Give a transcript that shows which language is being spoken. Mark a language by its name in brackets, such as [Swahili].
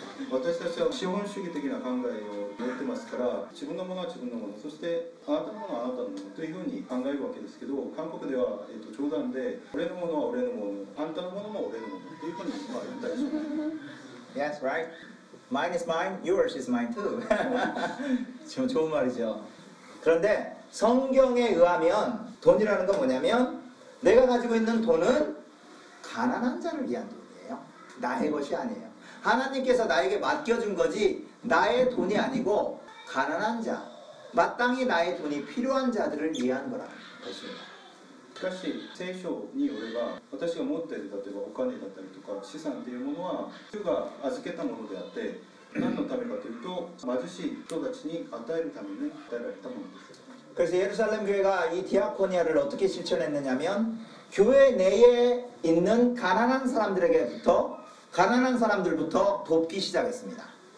[Japanese] 私たちは資本主義的な考えを持ってますから自分のものは自分のものそしてあなたのものはあなたのものというふうに考えるわけですけど韓国では、冗談で俺のものは俺のものあなたのものも俺のものというふうに、言ったりします [English] Yes, right? Mine is mine, yours is mine too [Korean] 지금 좋은말이죠그런데성경에의하면돈이라는건뭐냐면내가가지고있는돈은가난한자를위한돈이에요나의것이아니에요하나님께서나에게맡겨준거지나의돈이아니고가난한자마땅히나의돈이필요한자들을위한거라는것입니다 [Japanese] しかし聖書によれば私が持っている例えばお金だったりとか資産というものは主が預けたものであって何のためかというと貧しい人たちに与えるために与えられたものです [Korean] 그래서예루살렘교회가이디아코니아를어떻게실천했느냐면교회내에있는가난한사람들에게부터가난한사람들부터돕기시작했습니다